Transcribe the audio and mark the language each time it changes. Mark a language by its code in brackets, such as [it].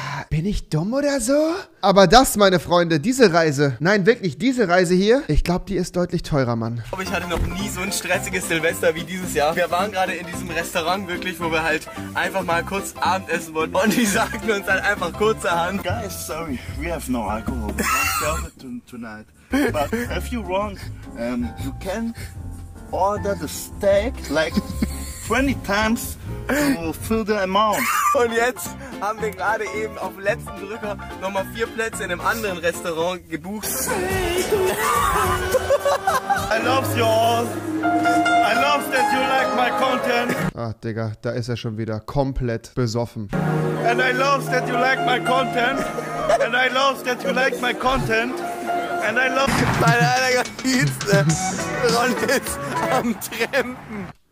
[de] Bin ich dumm oder so? Aber das, meine Freunde, diese Reise, nein, wirklich, diese Reise hier, ich glaube, die ist deutlich teurer, Mann. Ich glaube, ich hatte noch nie so ein stressiges Silvester wie dieses Jahr. Wir waren gerade in diesem Restaurant wirklich, wo wir halt einfach mal kurz Abendessen wollten. Und die sagten uns halt einfach kurzerhand: [en] Guys, sorry, we have no alcohol. We can't sell it tonight. But if you wrong, you can order the steak like 20 times to fill the amount. [de] Und jetzt haben wir gerade eben auf dem letzten Drücker nochmal 4 Plätze in einem anderen Restaurant gebucht. [en] I love you all. I love that you like my content. [de] Ach, Digga, da ist er schon wieder komplett besoffen. [en] And I love that you like my content. And I love that you like my content. And I love... [de] Meine allergeilste Ronny ist am Trampen.